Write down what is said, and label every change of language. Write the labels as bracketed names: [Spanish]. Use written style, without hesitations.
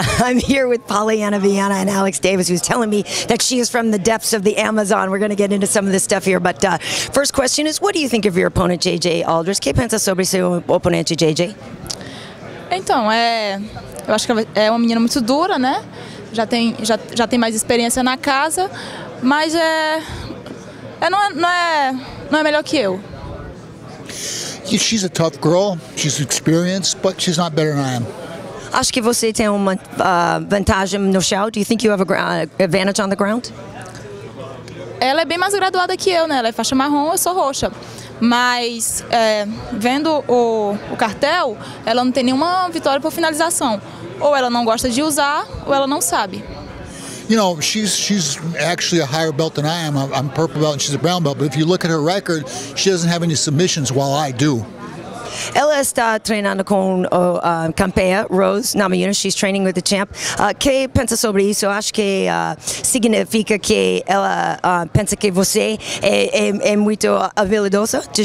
[English] I'm here with Polyana Viana and Alex Davis, who's telling me that she is from the depths of the Amazon. We're going to get into some of this stuff here, but first question is, what do you think of your opponent, JJ Aldrich? [Portuguese] Que pensa sobre seu oponente, JJ? Então, eu acho que é uma menina muito dura, né? Já tem mais experiência na casa, mas não é melhor que eu. [English] She's a tough girl. She's experienced, but she's not better than I am. [Portuguese] Acho que você tem uma vantagem no chão. [English] Do you think you have an advantage on the ground? [Portuguese] Ela é bem mais graduada que eu, né? Ela é faixa marrom, eu sou roxa. Mas vendo o cartel, ela não tem nenhuma vitória por finalização. Ou ela não gosta de usar, ou ela não sabe. [English] You know, she's actually a higher belt than I am. I'm purple belt and she's a brown belt. But if you look at her record, she doesn't have any submissions while I do. [Portuguese] Ela está treinando com o campeã, Rose Namajunas. [English] She's training with the champ. [Portuguese] Que pensa sobre isso? Acho que significa que ela pensa que você é muito habilidosa.